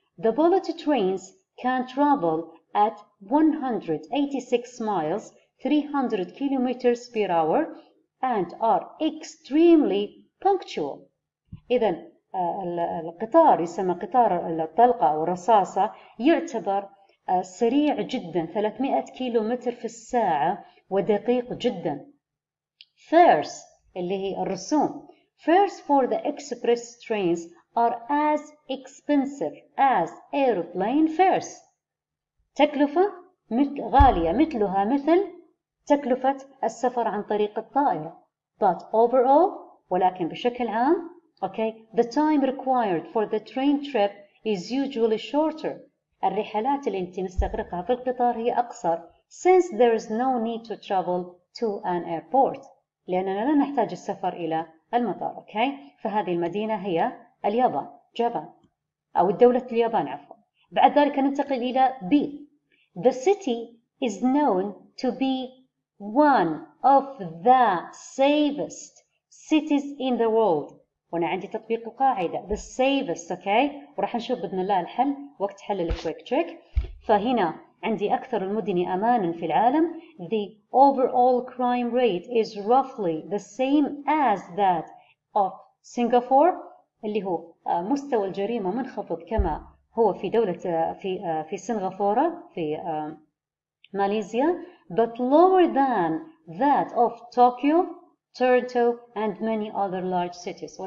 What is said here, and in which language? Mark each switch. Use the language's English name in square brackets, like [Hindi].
[English] The bullet trains can travel at 186 miles 300 kilometers per hour and are extremely punctual. [Arabic] إذا القطار يسمى قطار الطلقة أو الرصاصة يعتبر سريع جدا، 300 كيلو متر في الساعة، ودقيق جدا. [English] Fares [Arabic] اللي هي الرسوم. [English] Fares for the express trains are as expensive as airplane fares. [Arabic] تكلفة غالية مثلها مثل تكلفة السفر عن طريق الطائرة. [English] But overall, [Arabic] ولكن بشكل عام, [English] okay, the time required for the train trip is usually shorter. [Arabic] الرحلات اللي انت مستغرقها في القطار هي أقصر, [English] since there is no need to travel to an airport. [Arabic] لأننا لا نحتاج السفر إلى المطار, okay? فهذه المدينة هي اليابان, جابان, أو الدولة اليابان عفوا. بعد ذلك ننتقل إلى B. [English] The city is known to be one of the safest cities in the world. [Arabic] وانا عندي تطبيق القاعدة [English] the safest, [Arabic] okay, وراح نشوف بإذن الله الحل وقت حل الكويك تشيك. فهنا عندي أكثر المدن أمانا في العالم. [English] The overall crime rate is roughly the same as that of Singapore, [Arabic] اللي هو مستوى الجريمة منخفض كما هو في دولة في سنغافورة في ماليزيا, [English] but lower than that of Tokyo, Toronto and many other large cities.